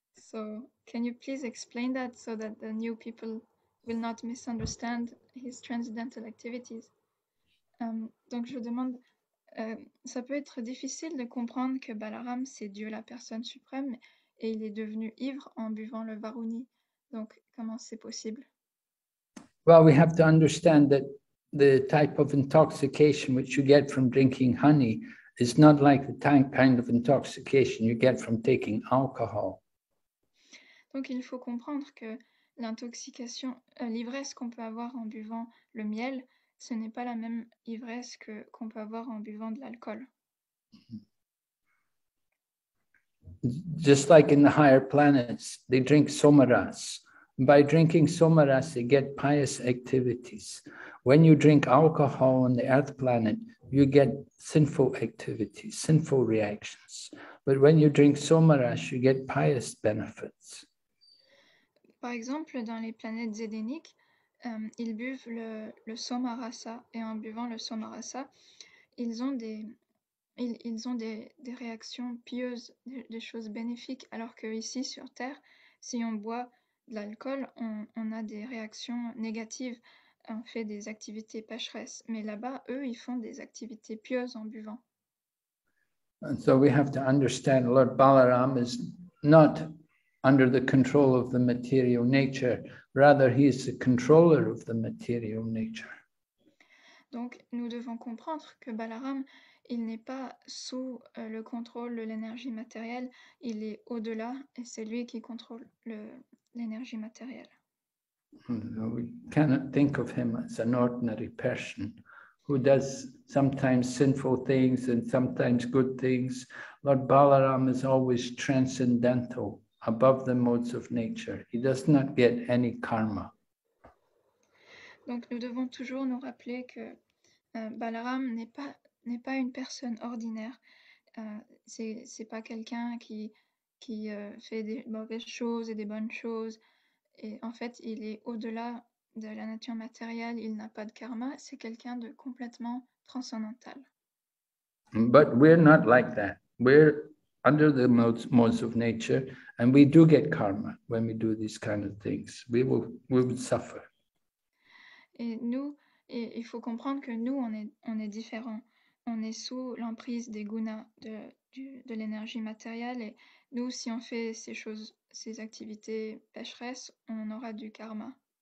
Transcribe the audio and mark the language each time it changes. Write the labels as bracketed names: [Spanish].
[English] So can you please explain that so that the new people will not misunderstand his transcendental activities. [French] Donc je demande, ça peut être difficile de comprendre que Balaram, c'est Dieu la personne suprême, et il est devenu ivre en buvant le Varuni. Donc comment c'est possible? [English] Well, we have to understand that the type of intoxication which you get from drinking honey is not like the kind of intoxication you get from taking alcohol. [French] Donc il faut comprendre que l'intoxication, l'ivresse qu'on peut avoir en buvant le miel, ce n'est pas la même ivresse qu'on peut avoir en buvant de l'alcool. [English] Just like in the higher planets, they drink somaras. By drinking somaras, they get pious activities. When you drink alcohol on the earth planet, you get sinful activities, sinful reactions. But when you drink somaras, you get pious benefits. [French] Par exemple, dans les planètes zédéniques, ils buvent le somarasa, et en buvant le somarasa, ils ont des réactions pieuses, des choses bénéfiques, alors que ici sur Terre, si on boit de l'alcool, on a des réactions négatives, on fait des activités pécheresses. Mais là-bas, eux, ils font des activités pieuses en buvant. [English] And so we have to understand Lord Balaram is not under the control of the material nature, rather he is the controller of the material nature. [French] Donc nous devons comprendre que Balaram, il n'est pas sous le contrôle de l'énergie matérielle, il est au-delà et c'est lui qui contrôle l'énergie matérielle. [English] We cannot think of him as an ordinary person who does sometimes sinful things and sometimes good things. Lord Balaram is always transcendental, above the modes of nature. He does not get any karma. [French] Donc nous devons toujours nous rappeler que Balaram n'est pas une personne ordinaire. C'est pas quelqu'un qui fait des mauvaises choses et des bonnes choses. Et en fait, il est au-delà de la nature matérielle. Il n'a pas de karma. C'est quelqu'un de complètement transcendantal. [English] But we're not like that. We're under the modes of nature, and we do get karma when we do these kind of things. We will suffer. [French] Et nous, il faut comprendre que nous, on est différents. On est sous l'emprise des gunas, de l'énergie matérielle, et nous, si on fait ces choses, ces activités pécheresses, on aura du karma.